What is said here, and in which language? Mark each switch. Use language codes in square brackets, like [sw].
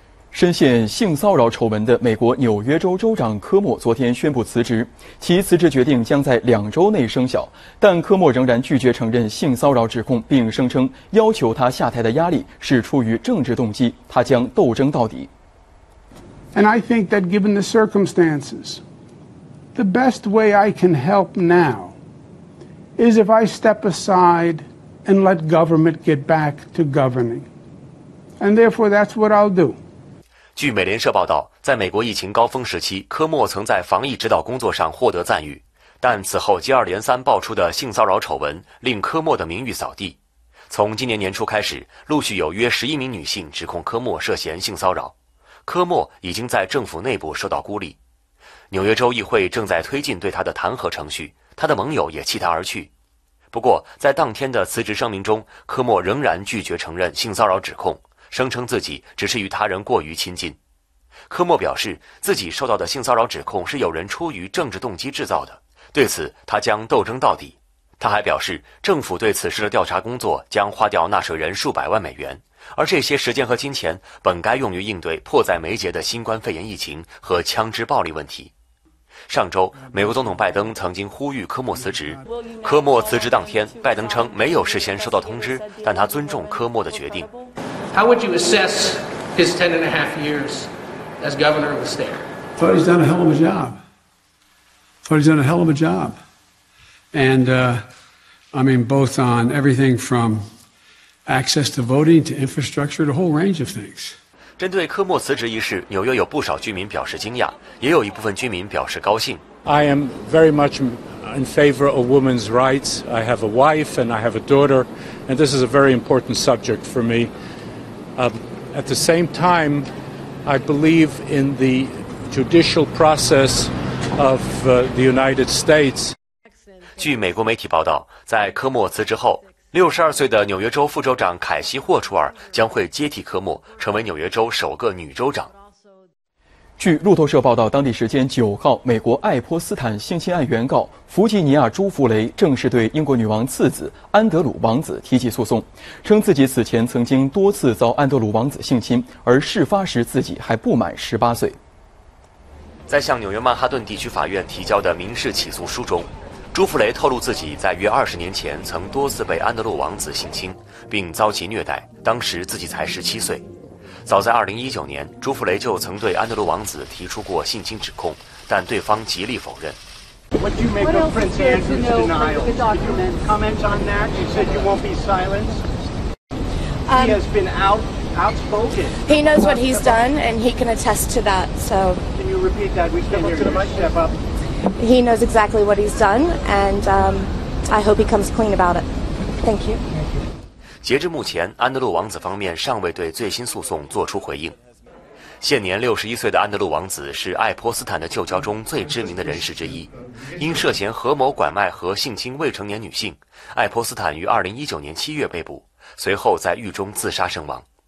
[zh] 深陷性骚扰丑闻的美国纽约州州长科莫昨天宣布辞职，其辞职决定将在两周内生效，但科莫仍然拒绝承认性骚扰指控，并声称要求他下台的压力是出于政治动机，他将斗争到底。 [en] And I think that given the circumstances, the best way I can help now is if I step aside and let government get back to governing. And therefore that's what I'll do. [zh] 据美联社报道，在美国疫情高峰时期，科莫曾在防疫指导工作上获得赞誉，但此后接二连三爆出的性骚扰丑闻令科莫的名誉扫地。从今年年初开始，陆续有约11名女性指控科莫涉嫌性骚扰，科莫已经在政府内部受到孤立。纽约州议会正在推进对他的弹劾程序，他的盟友也弃他而去。不过在当天的辞职声明中，科莫仍然拒绝承认性骚扰指控，声称自己只是与他人过于亲近。科莫表示自己受到的性骚扰指控是有人出于政治动机制造的，对此他将斗争到底。他还表示政府对此事的调查工作将花掉纳税人数百万美元，而这些时间和金钱本该用于应对迫在眉睫的新冠肺炎疫情和枪支暴力问题。上周美国总统拜登曾经呼吁科莫辞职，科莫辞职当天拜登称没有事先收到通知，但他尊重科莫的决定。 [en] How would you assess his 10 and a half years as governor of the state? Well, he's done a hell of a job. Well, he's done a hell of a job. And I mean both on everything from access to voting to infrastructure to a whole range of things. [zh] 针对科莫辞职一事，纽约有不少居民表示惊讶，也有一部分居民表示高兴。 [en] I am very much in favor of women's rights. I have a wife and I have a daughter, and this is a very important subject for me. At the same time, I believe in the judicial process of the United States. [zh] 据美国媒体报道，在科莫辞职后，62岁的纽约州副州长凯西·霍楚尔将会接替科莫，成为纽约州首个女州长。据路透社报道，当地时间9号，美国爱泼斯坦性侵案原告弗吉尼亚·朱弗雷正式对英国女王次子安德鲁王子提起诉讼，称自己此前曾经多次遭安德鲁王子性侵，而事发时自己还不满18岁。在向纽约曼哈顿地区法院提交的民事起诉书中，朱弗雷透露自己在约20年前曾多次被安德鲁王子性侵并遭其虐待，当时自己才17岁。早在2019年，朱弗雷就曾对安德鲁王子提出过性侵指控，但对方极力否认。 [en] What do you make of Prince Andrew's denial? Could you comment on that? You said you won't be silenced. He has been outspoken. He knows what he's done and he can attest to that, so. Can you repeat that? We can't hear you. Step up. He knows exactly what he's done, and I hope he comes clean about it. Thank you. [zh] 截至目前，安德鲁王子方面尚未对最新诉讼作出回应。现年61岁的安德鲁王子是爱泼斯坦的旧交中最知名的人士之一。因涉嫌合谋拐卖和性侵未成年女性，爱泼斯坦于2019年7月被捕，随后在狱中自杀身亡。